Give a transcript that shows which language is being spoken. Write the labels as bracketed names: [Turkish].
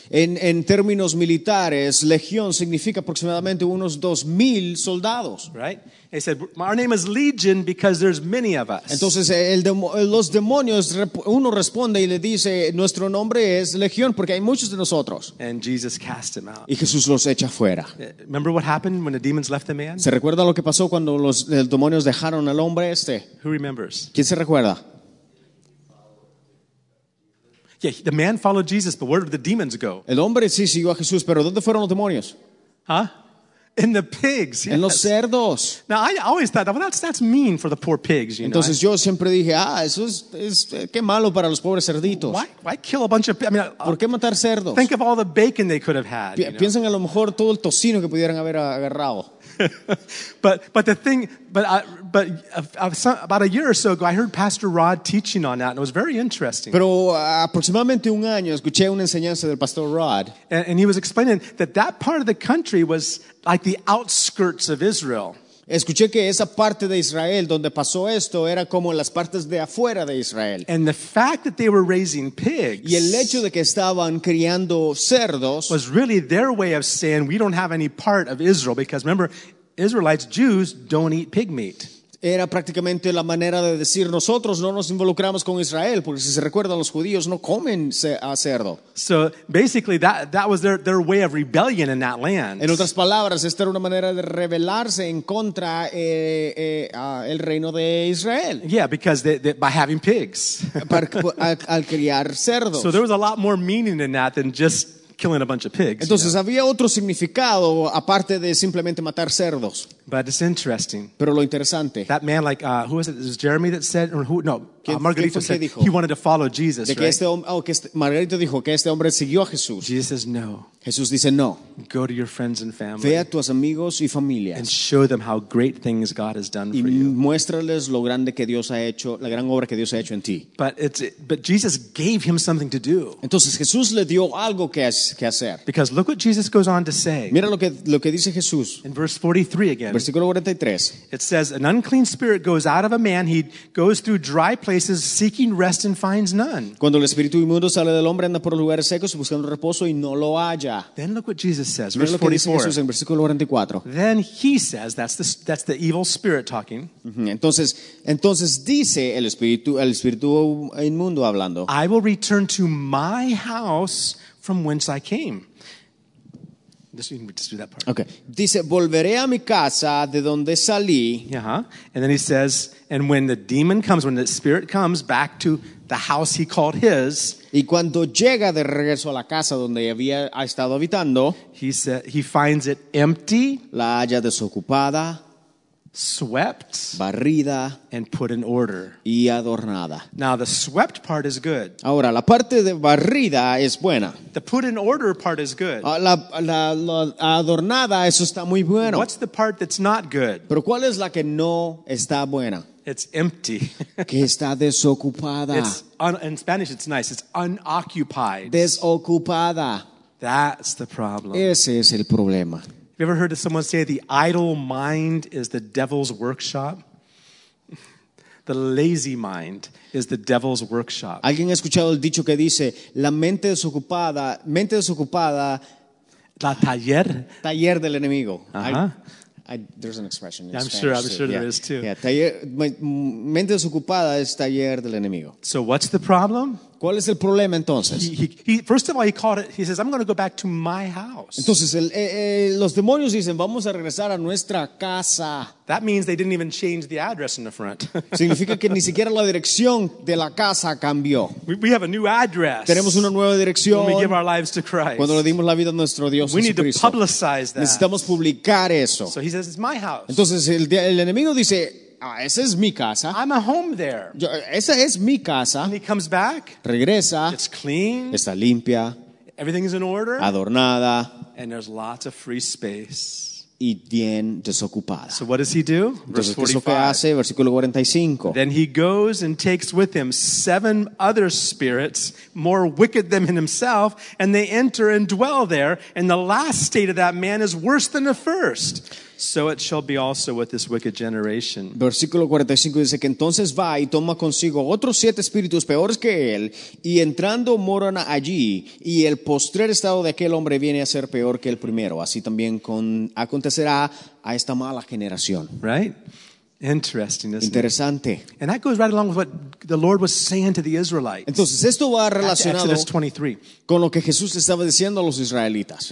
[Spanish] En términos militares, Legión significa aproximadamente unos 2,000 soldados. [English] Right? He said, "Our name is Legion because there's many of us." [Spanish] Entonces los demonios uno responde y le dice, "Nuestro nombre es Legión porque hay muchos de nosotros." [English] And Jesus cast him out. [Spanish] Y Jesús los echa fuera. [English] Remember what happened when the demons left the man? [Spanish] ¿Se recuerda lo que pasó cuando los demonios dejaron al hombre este? [English] Who remembers? [Spanish] ¿Quién se recuerda? [English] Yeah, the man followed Jesus, but where did the demons go? [Spanish] El hombre sí siguió a Jesús, pero ¿dónde fueron los demonios? [English] Huh? In the pigs, yes. [Spanish] En los cerdos. [English] Now I always thought, well, that's mean for the poor pigs, you [Spanish] Entonces, [English] know. [Spanish] Yo siempre dije, eso es qué malo para los pobres cerditos. [English] Why kill a bunch of pigs? I mean, [Spanish] ¿por qué matar cerdos? [English] Think of all the bacon they could have had. [Spanish] Piensen a lo mejor todo el tocino que pudieran haber agarrado. [English] About a year or so ago, I heard Pastor Rod teaching on that, and it was very interesting. [Spanish] Pero aproximadamente un año escuché una enseñanza del Pastor Rod, [English] and he was explaining that part of the country was like the outskirts of Israel. [Spanish] Escuché que esa parte de Israel donde pasó esto era como las partes de afuera de Israel. [English] And the fact that they were raising pigs, [Spanish] y el hecho de que estaban criando cerdos, [English] was really their way of saying we don't have any part of Israel, because remember, Israelites, Jews, don't eat pig meat. [Spanish] Era prácticamente la manera de decir nosotros no nos involucramos con Israel, porque si se recuerdan los judíos no comen cerdo. [English] So basically that was their way of rebellion in that land. [Spanish] En otras palabras, esta era una manera de rebelarse en contra el reino de Israel. [English] Yeah, because they by having pigs. [Spanish] al criar cerdos. [English] So there was a lot more meaning in that than just killing a bunch of pigs. [Spanish] Entonces, había otro significado aparte de simplemente matar cerdos. [English] But it's interesting. [Spanish] Pero lo interesante. [English] That man, like, who was it? Was it Jeremy that said, or who? No, Margarito said [Spanish] dijo? [English] He wanted to follow Jesus, [Spanish] de que [English] right? [Spanish] Margarito dijo que este hombre siguió a Jesús. [English] Jesus says no. [Spanish] Jesús dice no. [English] Go to your friends and family. [Spanish] Ve a tus amigos y familias. [English] And show them how great things God has done [Spanish] y [English] for you. [Spanish] Muéstrales lo grande que Dios ha hecho, la gran obra que Dios ha hecho en ti. [English] But Jesus gave him something to do. [Spanish] Entonces Jesús le dio algo que hacer. [English] Because look what Jesus goes on to say. [Spanish] Mira lo que dice Jesús. [English] In verse 43 again. [Spanish] Versículo 43. [English] It says, an unclean spirit goes out of a man, he goes through dry places seeking rest and finds none. [Spanish] Cuando el espíritu inmundo sale del hombre anda por lugares secos buscando reposo y no lo halla. [English] Then look what Jesus says, verse 44. [Spanish] Mira lo que dice Jesús en versículo 44. [English] Then he says, that's the evil spirit talking. [Spanish] Uh-huh. Entonces dice el espíritu inmundo hablando. [English] I will return to my house from whence I came. Just do that part. Okay. [Spanish] Dice, volveré a mi casa de donde salí. Uh-huh. [English] And then he says, and when the demon comes, when the spirit comes back to the house he called his. [Spanish] Y cuando llega de regreso a la casa donde ha estado habitando. [English] He finds it empty. [Spanish] La halla desocupada. [English] Swept. [Spanish] Barrida. [English] And put in order. [Spanish] Y adornada. [English] Now the swept part is good. [Spanish] Ahora, la parte de barrida es buena. [English] The put in order part is good. [Spanish] La adornada, eso está muy bueno. [English] What's the part that's not good? [Spanish] Pero ¿cuál es la que no está buena? [English] It's empty. [Spanish] Que está desocupada. [English] In Spanish it's nice. It's unoccupied. [Spanish] Desocupada. [English] That's the problem. [Spanish] Ese es el problema. [English] Have you ever heard of someone say the idle mind is the devil's workshop? The lazy mind is the devil's workshop. [Spanish] ¿Alguien ha escuchado el dicho que dice la mente desocupada, la taller del enemigo? Uh-huh. [English] There's an expression in I'm Spanish. I'm sure there is too. [Spanish] Yeah, mente desocupada es taller del enemigo. [English] So what's the problem? [Spanish] ¿Cuál es el problema entonces? [English] He says, I'm going to go back to my house. [Spanish] Entonces, los demonios dicen, vamos a regresar a nuestra casa. [English] That means they didn't even change the address in the front. [Spanish] Significa que ni siquiera la dirección de la casa cambió. [English] We have a new address. [Spanish] Tenemos una nueva dirección. [English] When we give our lives to Christ. [Spanish] Cuando le dimos la vida a nuestro Dios [English] Jesucristo. We need to publicize that. [Spanish] Necesitamos publicar eso. [English] So he says, it's my house. [Spanish] Entonces, el enemigo dice, ah, esa es mi casa. [English] I'm a home there. [Spanish] Esa es mi casa. [English] And he comes back. [Spanish] Regresa. [English] It's clean. [Spanish] Está limpia. [English] Everything is in order. [Spanish] Adornada. [English] And there's lots of free space. [Spanish] Y bien desocupada. [English] So what does he do? Verse 45. [Spanish] Entonces, ¿qué es lo que hace? Versículo 45. [English] Then he goes and takes with him 7 other spirits, more wicked than himself, and they enter and dwell there, and the last state of that man is worse than the first. So it shall be also with this wicked generation. [Spanish] Versículo 45 dice que entonces va y toma consigo otros 7 espíritus peores que él, y entrando moran allí, y el postrer estado de aquel hombre viene a ser peor que el primero. Así también acontecerá a esta mala generación. [English] Right? Interesting, isn't [Spanish] interesante. [English] It? And that goes right along with what the Lord was saying to the Israelites. [Spanish] Entonces, esto va relacionado [English] Exodus 23. [Spanish] Con lo que Jesús estaba diciendo a los israelitas.